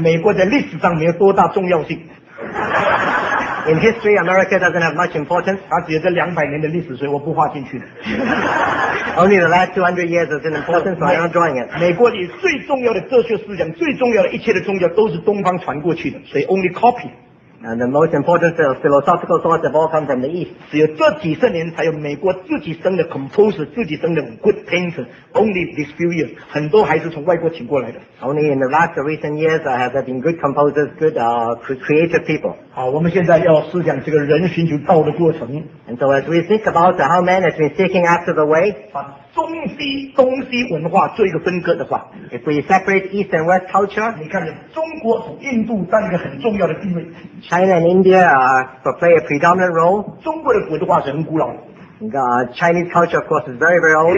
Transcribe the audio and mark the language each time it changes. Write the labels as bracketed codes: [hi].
[zh] 美国在历史上没有多大重要性, [en] In history, America doesn't have much importance. [zh] 它只有这200年的历史, 所以我不画进去的。 [en] Only the last 200 years is in importance, so I'm not drawing it. [zh] 美国里最重要的哲学思想, 最重要的一切的宗教都是东方传过去的, [en] so only copy. And the most important philosophical thoughts have all come from the East. [zh] 只有这几十年才有美国自己生的 composer, 自己生的 good painter. [en] Only these few years, [zh] 很多还是从外国请过来的。 [en] Only in the last recent years have there been good composers, good creative people. [zh] 好，我们现在要思想这个人寻求道的过程。 [en] And so as we think about how man has been seeking after the way, [zh] 把中西文化做一个分割的话, [en] if we separate East and West culture, [zh] 你看中国和印度占一个很重要的地位。 [en] China and India play a predominant role. [zh] 中国的古文化是很古老的。 [en] Chinese culture, of course, is very, very old.